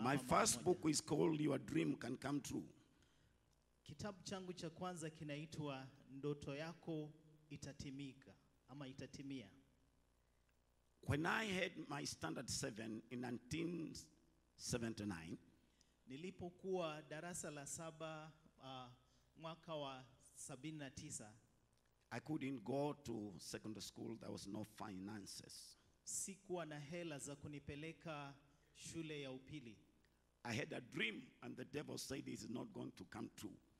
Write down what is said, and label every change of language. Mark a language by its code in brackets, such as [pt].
[en] My first book is called Your Dream Can Come True. [sw] Kitabu changu cha kwanza kinaitwa Ndoto Yako Itatimika ama Itatimia. [en] When I had my standard 7 in 1979, [sw] nilipokuwa darasa la saba mwaka wa 79, [en] I couldn't go to secondary school. There was no finances. [sw] Sikuwa na hela za kunipeleka shule ya upili. [en] I had a dream and the devil said it is not going to come true.